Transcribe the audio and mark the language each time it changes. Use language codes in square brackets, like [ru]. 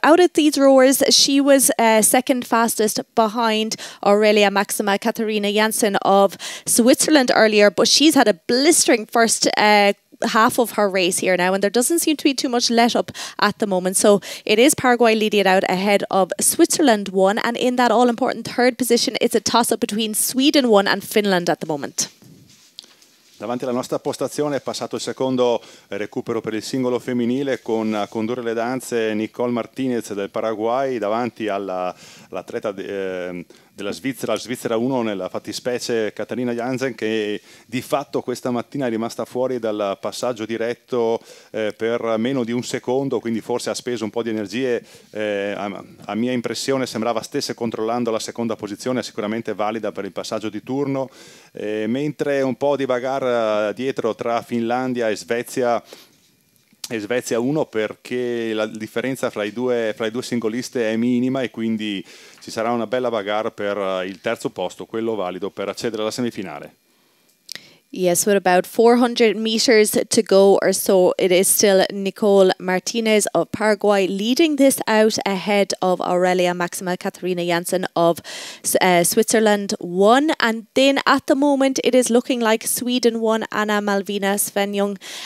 [en] Out at these rowers, she was second fastest behind Aurelia Maxima Katharina Janssen of Switzerland earlier. But she's had a blistering first half of her race here now, and there doesn't seem to be too much let up at the moment. So it is Paraguay leading it out ahead of Switzerland 1, and in that all-important third position it's a toss-up between Sweden 1 and Finland at the moment. [it] Davanti alla nostra postazione è passato il secondo recupero per il singolo femminile con a condurre le danze Nicole Martinez del Paraguay davanti all'atleta della Svizzera, la Svizzera 1 nella fattispecie Katharina Janssen, che di fatto questa mattina è rimasta fuori dal passaggio diretto per meno di un secondo, quindi forse ha speso un po' di energie, a mia impressione sembrava stesse controllando la seconda posizione, sicuramente valida per il passaggio di turno, mentre un po' di bagarre dietro tra Finlandia e Svezia, e Svezia 1, perché la differenza fra i due singoliste è minima e quindi ci sarà una bella bagarre per il terzo posto, quello valido per accedere alla semifinale. [en] Yes, with about 400 meters to go or so, it is still Nicole Martinez of Paraguay leading this out ahead of Aurelia Maxima Katharina Janssen of Switzerland 1. And then at the moment, it is looking like Sweden 1, Anna Malvina Svenjung.